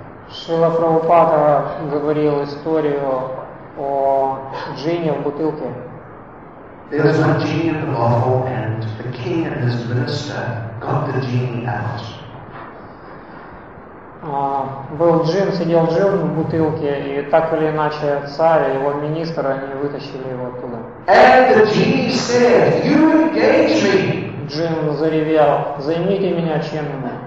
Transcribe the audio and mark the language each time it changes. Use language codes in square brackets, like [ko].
[ru] Шрила Прабхупада говорил историю о джинне в бутылке. [en] There was a genie in the bottle, and the king and his minister got the genie out. [ru] Был джин, сидел джин в бутылке, и так или иначе царь и его министр они вытащили его оттуда. [en] And the genie said, "You engage me." [ru] Джин заревел: "Займите меня чем-нибудь."